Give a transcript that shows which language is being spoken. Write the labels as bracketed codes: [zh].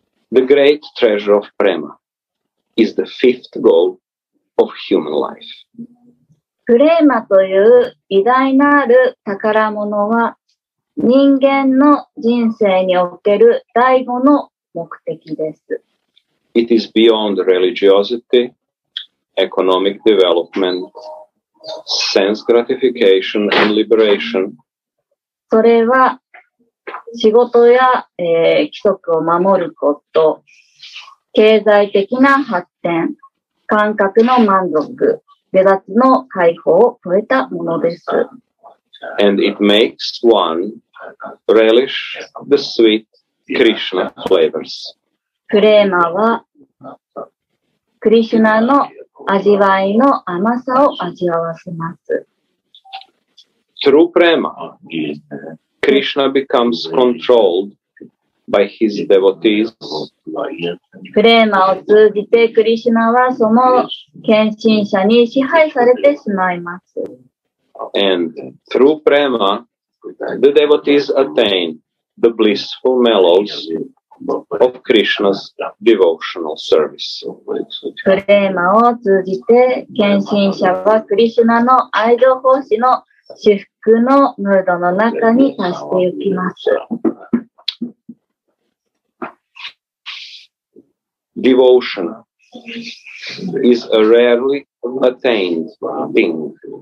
[en] The great treasure of Prema is the fifth goal of human life. [ja] プレーマという偉大なる宝物は人間の人生における第五の目的です。 [en] It is beyond religiosity, economic development, sense gratification and liberation. [ja] それは仕事や、規則を守ること、経済的な発展、感覚の満足、目立つの解放を超えたものです。 [en] And it makes one relish the sweet Krishna flavors. [ja] プレーマは、クリシュナの味わいの甘さを味わわせます。 [en] True prema, Krishna becomes controlled by his devotees. [ja] プレーマを通じてクリシュナはその献身者に支配されてしまいます。 [en] And through prema, the devotees attain the blissful mellows of Krishna's devotional service. [ja] プレーマを通じて献身者はクリシュナの愛情奉仕の至福のムードの中に達していきます。 [en] Devotion is a rarely attained thing.